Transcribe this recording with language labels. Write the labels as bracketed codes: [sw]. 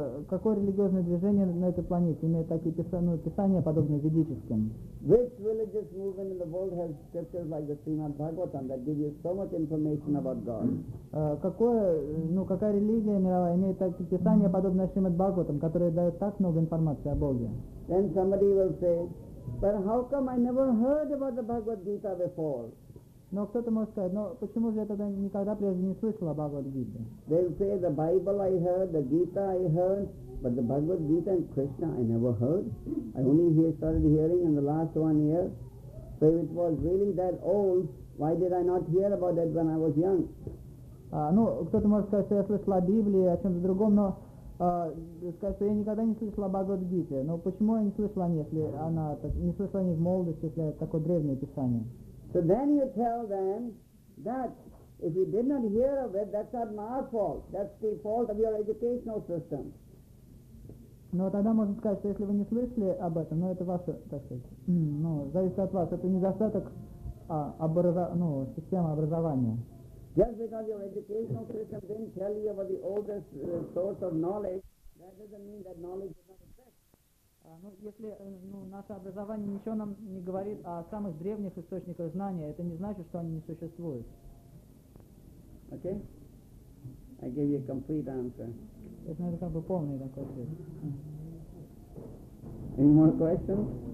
[ru] Какое религиозное движение на этой планете имеет такие писания, подобные ведическим? [en] Which religious movement in the world has scriptures like the Srimad Bhagavatam that give you so much information about God? [ru] Какая религия мировая имеет такие писания, подобные Шримад Бхагаватам, которые дают так много информации о Боге? [en] Then somebody will say, but how come I never heard about the Bhagavad Gita before? [ru] Но кто-то может сказать, но почему же я тогда никогда прежде не слышал о Бхагавад-гите? [en] They'll say, the Bible I heard, the Gita I heard, but the Bhagavad-gita and Krishna I never heard. I only started hearing in the last 1 year. So if it was really that old, why did I not hear about that when I was young? [ru] Кто-то может сказать, что я слышал о Библии, о чем-то другом, но сказать, что я никогда не слышал о Бхагавад-гите. Но почему я не слышал о ней, если она так, не слышал о ней в молодости, если это такое древнее писание? [en] So then you tell them that if you did not hear of it, that's not my fault. That's the fault of your educational system. [ru] Но тогда можно сказать, что если вы не слышали об этом, ну это ваше, так сказать, ну, зависит от вас. Это недостаток системы образования. [en] Just because your educational system didn't tell you about the oldest source of knowledge, that doesn't mean that knowledge is not exist. [ru] Если наше образование ничего нам не говорит о самых древних источниках знания, это не значит, что они не существуют. [en] Okay? I gave you a complete answer. [ru] Это, наверное, как бы полный такой ответ. [en] Any more questions?